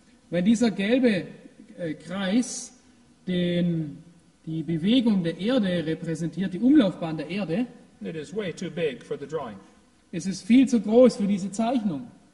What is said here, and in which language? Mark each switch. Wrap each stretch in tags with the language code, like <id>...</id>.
<de>wenn dieser gelbe Kreis den die Bewegung der Erde repräsentiert, die Umlaufbahn der Erde,</de> <en>it is way too big for the drawing.</en> <de>Es ist viel zu groß für diese Zeichnung.</de>